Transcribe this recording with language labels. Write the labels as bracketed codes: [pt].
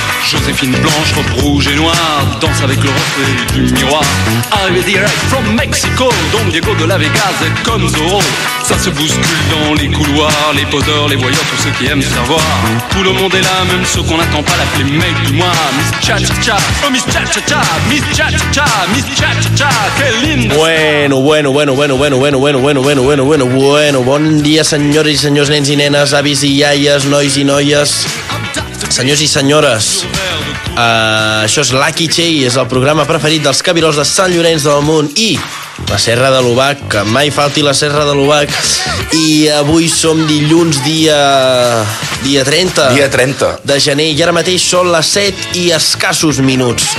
[fr] Joséphine Blanche, robe rouge et noire, danse avec le reflet du miroir. Arrivé [en] direct from Mexico, [fr] Don Diego de la Vegas est comme Zorro. Ça se bouscule dans les couloirs, les poseurs, les voyeurs, tous ceux qui aiment se faire voir. Tout le monde est là, même ceux qu'on n'attend pas, l'appeler mec du mois. Miss Cha-Cha-Cha, oh Miss Cha-Cha-Cha, Miss Cha-Cha-Cha, Miss Cha-Cha-Cha, [es] que lindo. Bueno, bueno, bueno, bueno, bueno, bueno, bueno, bueno, bueno, bueno, bueno, bueno. [ca] Bon dia, senyores i senyors, nens i nenes, avis i iaies, nois i noies, senyors i senyores. Això és Lucky Che i és el programa preferit dels cabirols de Sant Llorenç del Munt i la Serra de l'Ubac, que mai falti la Serra de l'Ubac. I avui som dilluns, dia 30 de gener, i ara mateix són les 7 i escassos minuts.